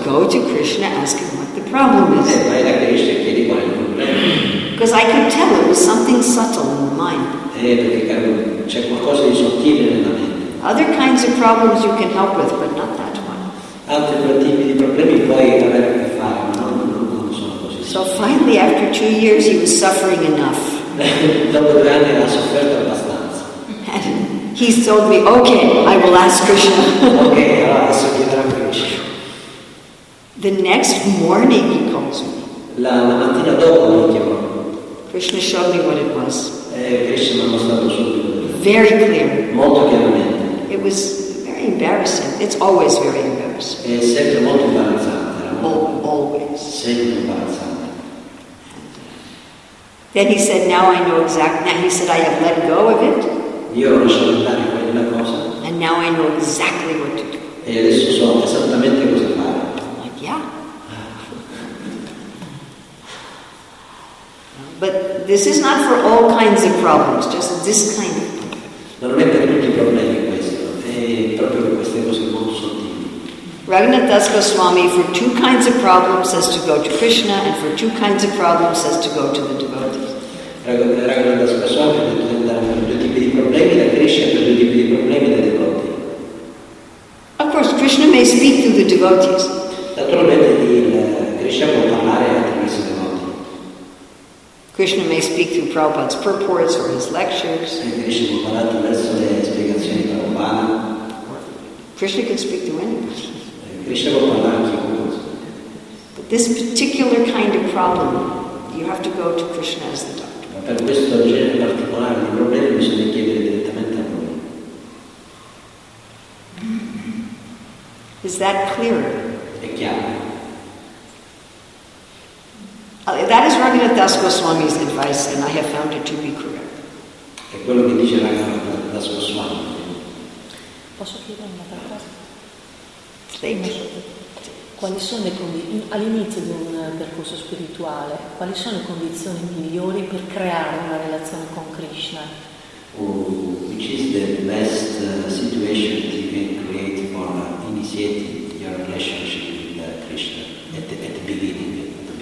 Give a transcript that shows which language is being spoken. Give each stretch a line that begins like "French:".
English: Go to Krishna, ask him what the problem is.
Italian: Vai da Krishna, chiedi qual è il problema.
English: Because I could tell it was something subtle in the mind.
Italian: Perché c'è qualcosa di sottile nella mente.
English: Other kinds of problems you can help with, but not that one.
Italian: Altri tipi di problemi puoi avere a che fare, ma non sono così.
English: So finally, after 2 years, he was suffering enough.
Italian: Dopo 2 anni ha sofferto abbastanza.
English: He told me, okay, I will ask Krishna.
Italian: Okay, so chiederò a Krishna.
English: The next morning he calls me.
Italian: La mattina dopo mi chiamò.
English: Krishna showed me what it was.
Italian: Krishna mi ha mostrato subito.
English: Very clear.
Italian: Molto chiaramente.
English: It was very embarrassing. It's always very embarrassing.
Italian: È sempre molto imbarazzante.
English: Always.
Italian: Sempre imbarazzante.
English: Then he said, now I know exactly. Now he said, I have let go of it.
Italian: Io ho lasciato andare quella cosa.
English: And now I know exactly what to do.
Italian: E adesso so esattamente cosa fare.
English: Like, yeah. But this is not for all kinds of problems, just this kind of problem.
Italian: Non è per tutti i problemi questo, è proprio per queste cose molto sottili.
English: Raghunath Das Goswami, for 2 kinds of problems says to go to Krishna, and for 2 kinds of problems says to go to the devotees.
Italian: Raghunath Das Goswami ha detto problemi da Krishna per due tipi di problemi dai devoti.
English: Of course, Krishna may speak to the devotees.
Italian: Naturalmente Krishna può parlare attraverso i devoti.
English: Krishna may speak through Prabhupada's purports or his lectures.
Italian: E Krishna può parlare attraverso le spiegazioni di Prabhupada.
English: Krishna can speak to anybody.
Italian: Krishna può parlare anche con noi.
English: But this particular kind of problem, you have to go to Krishna as the doctor.
Italian: Per questo genere particolare di problemi bisogna chiedere direttamente a lui.
English: Is that clear?
Italian: È chiaro.
English: That is Raghunath Das Goswami's advice, and I have found it to be correct.
Italian: È quello che dice Raghunath Das Goswami. Posso chiedere un'altra cosa?
English: Thank you.
Italian: Quali sono le condizioni all'inizio di un percorso spirituale? Quali sono le condizioni migliori per creare una relazione con Krishna?
English: Which is the best situation you can create for initiating your relationship with Krishna at the beginning?